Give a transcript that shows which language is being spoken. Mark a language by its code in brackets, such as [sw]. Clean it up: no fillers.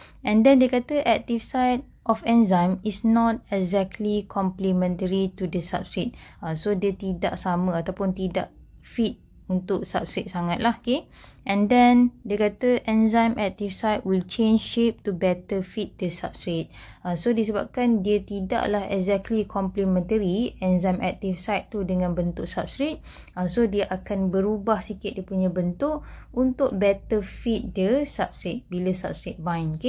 [en] And then [ms] dia kata [en] active site of enzyme is not exactly complementary to the substrate. [ms] So dia tidak sama ataupun tidak fit untuk substrate sangatlah. [en] Okay? And then [ms] dia kata [en] enzyme active site will change shape to better fit the substrate. [ms] So disebabkan dia tidaklah [en] exactly complementary enzyme active site [ms] tu dengan bentuk substrate, so dia akan berubah sikit dia punya bentuk untuk [en] better fit the substrate [ms] bila substrate bind.